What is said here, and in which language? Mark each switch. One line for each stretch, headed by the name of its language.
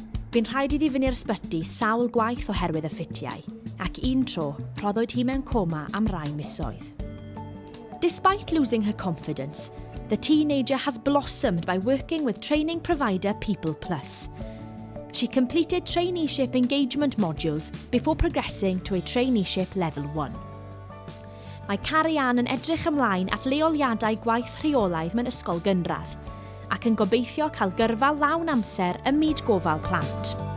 Welsh: Bu'n rhaid iddi fyny'r ysbyty sawl gwaith oherwydd y ffitiau, ac un tro roddwyd hi mewn coma am rai misoedd.
English: Despite losing her confidence, the teenager has blossomed by working with training provider People Plus. She completed traineeship engagement modules before progressing to a traineeship level 1.
Welsh: Mae Carrie-Anne yn edrych ymlaen at leoliadau gwaith rheolaidd mewn ysgol gynradd, ac yn gobeithio cael gyrfa lawn amser ym myd gofal plant.